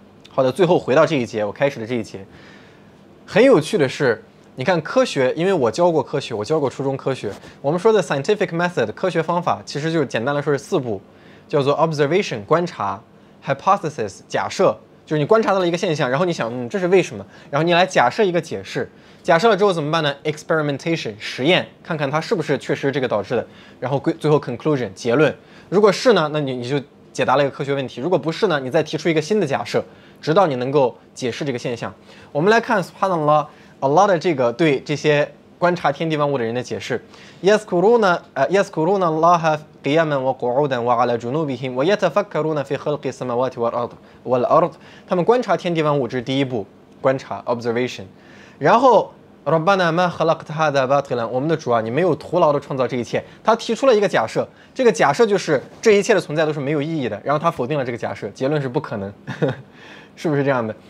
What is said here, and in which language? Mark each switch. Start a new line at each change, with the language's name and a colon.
Chinese: 好的，最后回到这一节，我开始的这一节很有趣的是，你看科学，因为我教过科学，我教过初中科学，我们说的 scientific method 科学方法其实就是简单来说是四步，叫做 observation 观察， hypothesis 假设，就是你观察到了一个现象，然后你想这是为什么，然后你来假设一个解释，假设了之后怎么办呢？ experimentation 实验，看看它是不是确实这个导致的，然后最后 conclusion 结论，如果是呢，那你就解答了一个科学问题，如果不是呢，你再提出一个新的假设，直到你能够解释这个现象。我们来看 subhanAllah Allah 的这个对这些观察天地万物的人的解释，
Arabic: يذكرون الله قياما وقعودا وعلى جنوبهم ويتفكرون في خلق السماوات والأرض.
Chinese: 他们观察天地万物，这是第一步，观察 observation。然后
Arabic: ربنا ما خلقت هذا باطلا，
Chinese: 我们的主啊，你没有徒劳的创造这一切。他提出了一个假设，这个假设就是这一切的存在都是没有意义的，然后他否定了这个假设，结论是不可能是不是这样的？